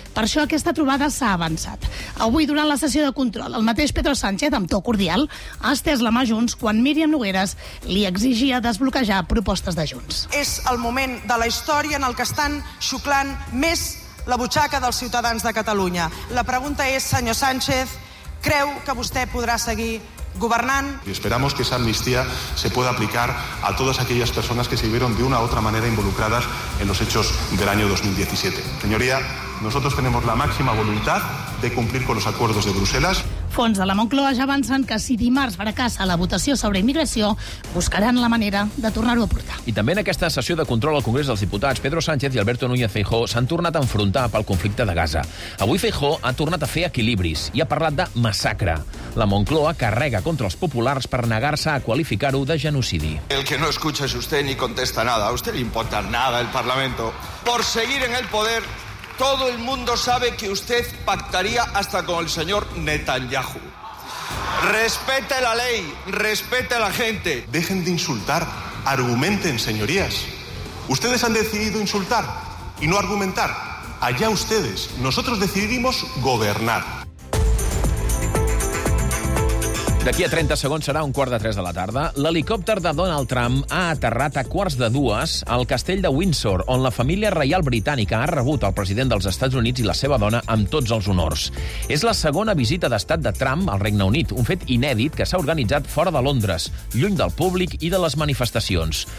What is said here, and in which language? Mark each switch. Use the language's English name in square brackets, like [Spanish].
[Catalan] Per això aquesta trobada s'ha avançat. Avui, durant la sessió de control, el mateix Pedro Sánchez, amb to cordial, ha estès la mà a Junts quan Míriam Nogueras li exigia desbloquejar propostes de Junts. És el moment de la història en el que estan xuclant més la butxaca dels ciutadans de Catalunya. La pregunta és, senyor Sánchez, creu que vostè podrà seguir governant? [Spanish] Y esperamos que esa amnistía se pueda aplicar a todas aquellas personas que se vieron de una u otra manera involucradas en los hechos del año 2017. Señoría, nosotros tenemos la máxima voluntad de cumplir con los acuerdos de Bruselas. [Catalan] Fons de la Moncloa ja avancen que si dimarts fracassa la votació sobre immigració, buscaran la manera de tornar-ho a portar. I també en aquesta sessió de control al Congrés dels Diputats, Pedro Sánchez i Alberto Núñez Feijó s'han tornat a enfrontar pel conflicte de Gaza. Avui Feijó ha tornat a fer equilibris i ha parlat de massacre. La Moncloa carrega contra els populars per negar-se a qualificar-ho de genocidi. [Spanish] El que no escucha es usted ni contesta nada. A usted le importa nada el Parlamento. Por seguir en el poder, todo el mundo sabe que usted pactaría hasta con el señor Netanyahu. Respete la ley, respete a la gente. Dejen de insultar, argumenten, señorías. Ustedes han decidido insultar y no argumentar. Allá ustedes, nosotros decidimos gobernar. [Catalan] D'aquí a 30 segons serà un quart de 3 de la tarda. L'helicòpter de Donald Trump ha aterrat a quarts de dues al castell de Windsor, on la família reial britànica ha rebut el president dels Estats Units i la seva dona amb tots els honors. És la segona visita d'estat de Trump al Regne Unit, un fet inèdit que s'ha organitzat fora de Londres, lluny del públic i de les manifestacions.